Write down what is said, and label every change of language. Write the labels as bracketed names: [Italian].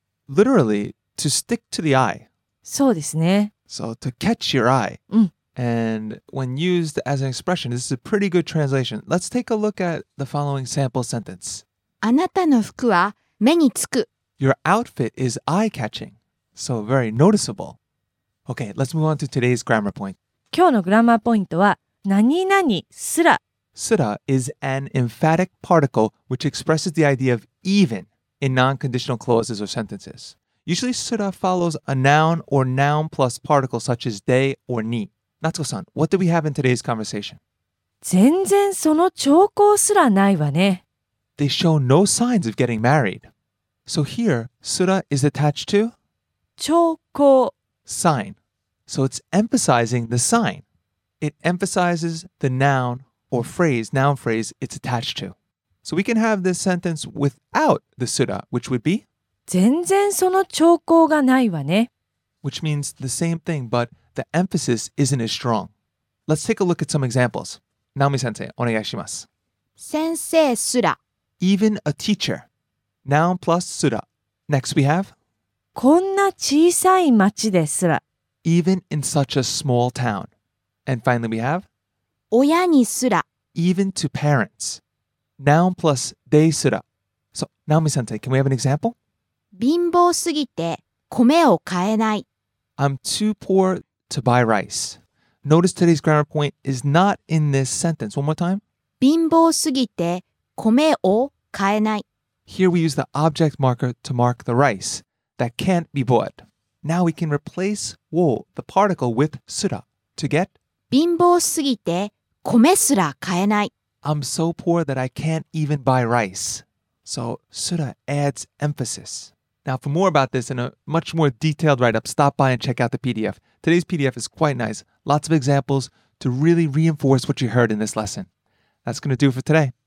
[English] Literally, to stick to the eye. [Japanese] そうですね。 [English] So to catch your eye. うん。 And when used as an expression, this is a pretty good translation. Let's take a look at the following sample sentence. [Japanese] あなたの服は目につく。 [English] Your outfit is eye-catching, so very noticeable. Okay, let's move on to today's grammar point. [Japanese] 今日のグラマーポイントは何々すら。 [English] すら is an emphatic particle which expresses the idea of even in non-conditional clauses or sentences. Usually, すら follows a noun or noun plus particle such as でor に。 Natsuko-san, what did we have in today's conversation? [Japanese] 全然その兆候すらないわね。 [English] They show no signs of getting married. So here, sura is attached to? [Japanese] 兆候 [English] Sign. So it's emphasizing the sign. It emphasizes the noun or phrase, noun phrase it's attached to. So we can have this sentence without the sura, which would be? [Japanese] 全然その兆候がないわね。 [English] Which means the same thing, but the emphasis isn't as strong. Let's take a look at some examples. Naomi-sensei, onegaishimasu. [Japanese] 先生すら [English] Even a teacher. Noun plus sura. Next we have? [Japanese] こんな小さい町ですら [English] Even in such a small town. And finally we have? [Japanese] 親にすら [English] Even to parents. Noun plus でいすら So, Naomi-sensei, can we have an example? [Japanese] 貧乏すぎて米を買えない [English] I'm too poor to buy rice. Notice today's grammar point is not in this sentence. One more time. [Japanese] 貧乏すぎて米を買えない [English] Here we use the object marker to mark the rice that can't be bought. Now we can replace wo, the particle, with sura to get [Japanese] 貧乏すぎて米すら買えない [English] I'm so poor that I can't even buy rice. So sura adds emphasis. Now, for more about this and a much more detailed write-up, stop by and check out the PDF. Today's PDF is quite nice. Lots of examples to really reinforce what you heard in this lesson. That's going to do it for today.